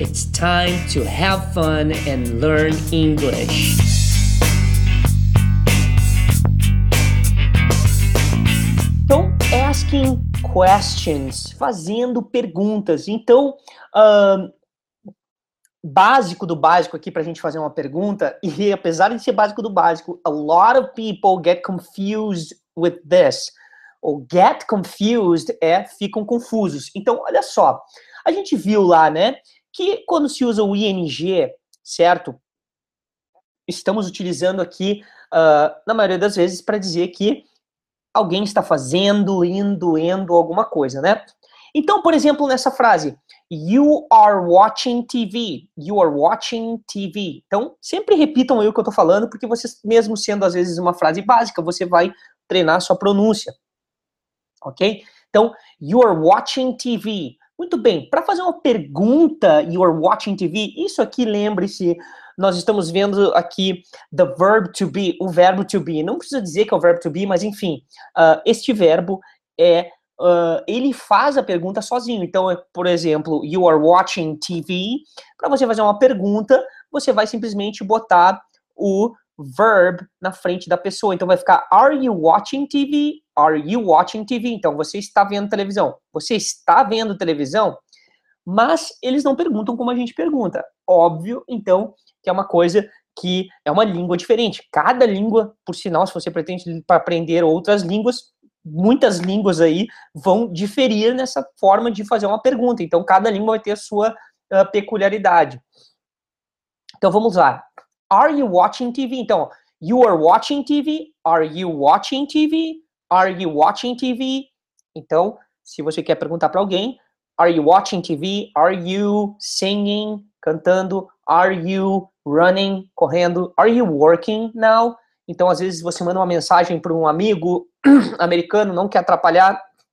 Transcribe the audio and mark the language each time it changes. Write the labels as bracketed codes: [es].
[en] It's time to have fun and learn English. [pt] Então, [en] asking questions, [pt] fazendo perguntas. Então, básico do básico aqui para a gente fazer uma pergunta, e apesar de ser básico do básico, [en] a lot of people get confused with this. [pt] Ou [en] get confused [pt] é ficam confusos. Então, olha só, a gente viu lá, né, que quando se usa o ing, certo? Estamos utilizando aqui, na maioria das vezes, para dizer que alguém está fazendo, indo, indo, alguma coisa, né? Então, por exemplo, nessa frase, [en] you are watching TV, you are watching TV. [pt] Então, sempre repitam aí o que eu estou falando, porque você, mesmo sendo, às vezes, uma frase básica, você vai treinar a sua pronúncia. Ok? [en] Então, you are watching TV. [pt] Muito bem, para fazer uma pergunta, [en] you are watching TV, [pt] isso aqui, lembre-se, nós estamos vendo aqui [en] the verb to be, [pt] o verbo to be. Não precisa dizer que é o verbo to be, mas enfim, este verbo é, ele faz a pergunta sozinho. Então, por exemplo, [en] you are watching TV, [pt] para você fazer uma pergunta, você vai simplesmente botar o verb na frente da pessoa. Então vai ficar, [en] are you watching TV? Are you watching TV? [pt] Então, você está vendo televisão. Você está vendo televisão? Mas eles não perguntam como a gente pergunta. Óbvio, então, que é uma coisa que é uma língua diferente. Cada língua, por sinal, se você pretende aprender outras línguas, muitas línguas aí vão diferir nessa forma de fazer uma pergunta. Então, cada língua vai ter a sua peculiaridade. Então, vamos lá. [en] Are you watching TV? Então, you are watching TV? Are you watching TV? Are you watching TV? [pt] Então, se você quer perguntar para alguém, [en] are you watching TV? Are you singing, [pt] cantando? [en] Are you running, [pt] correndo? [en] Are you working now? [pt] Então, às vezes, você manda uma mensagem para um amigo americano, não quer atrapalhar.